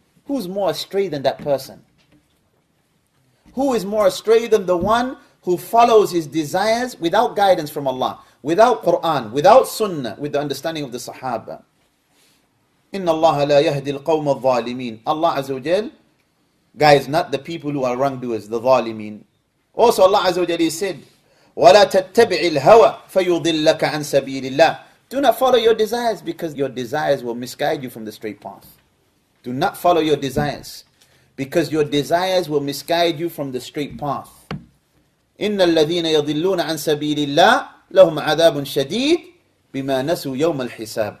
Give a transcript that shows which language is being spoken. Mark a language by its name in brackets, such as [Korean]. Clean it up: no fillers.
[English] Who's more astray than that person? Who is more astray than the one who follows his desires without guidance from Allah, without Quran, without Sunnah, with the understanding of the Sahaba? [Arabic] Inna Allah la yahdi al-qawm al-zalimin. [English] Allah Azza wa Jal guides not the people who are wrongdoers, the zalimin. Also Allah Azza wa Jal said, [Arabic] وَلَا تَتَّبِعِ الْهَوَى فَيُضِلَّكَ عَن سَبِيلِ اللَّهِ. [English] Do not follow your desires because your desires will misguide you from the straight path. Do not follow your desires because your desires will misguide you from the straight path. [Arabic] إِنَّ الَّذِينَ يَضِلُّونَ عَن سَبِيلِ اللَّهِ لَهُمْ عَذَابٌ شَدِيدٌ بِمَا نَسُوا يَوْمَ الْحِسَابِ.